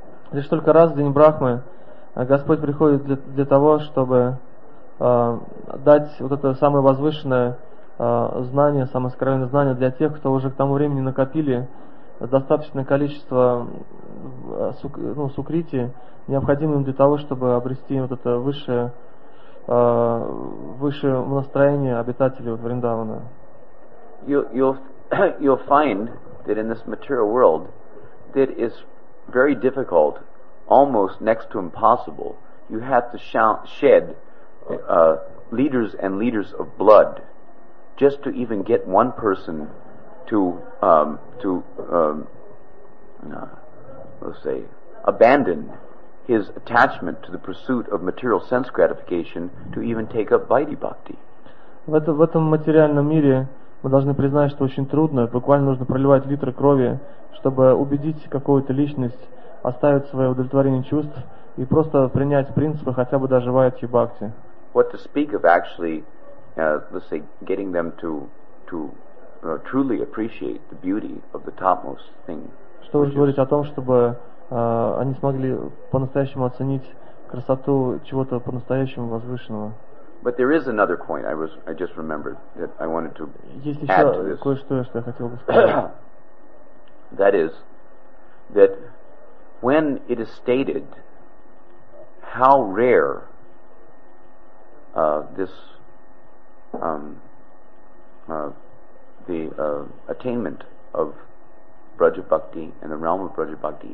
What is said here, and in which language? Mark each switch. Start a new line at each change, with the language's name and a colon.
Russian: Господь приходит для того, чтобы дать вот это самое возвышенное знание, самое сокровенное знание для тех, кто уже к тому времени накопили достаточное количество сукрити, необходимым для того, чтобы обрести вот это высшее настроение обитателей вот Вриндавана.
English: You'll find that in this material world that is very difficult, almost next to impossible, you have to shed liters and liters of blood just to even get one person to abandon his attachment to the pursuit of material sense gratification to even take up Vaidhi Bhakti.
Russian: В этом материальном мире мы должны признать, что очень трудно, буквально нужно проливать литр крови, чтобы убедить какую-то личность оставить свое удовлетворение чувств и просто принять принципы хотя бы даже Vaidhi Bhakti.
English: What to speak of actually, getting them to truly appreciate the beauty of the topmost thing.
Russian: Что уж говорить о том, чтобы они смогли по-настоящему оценить красоту чего-то по-настоящему возвышенного.
English: But there is another point I just remembered that I wanted to add to this.
Russian: Есть еще кое-что, что я хотел бы сказать.
English: That is that when it is stated how rare the attainment of Braja Bhakti and the realm of Braja Bhakti is,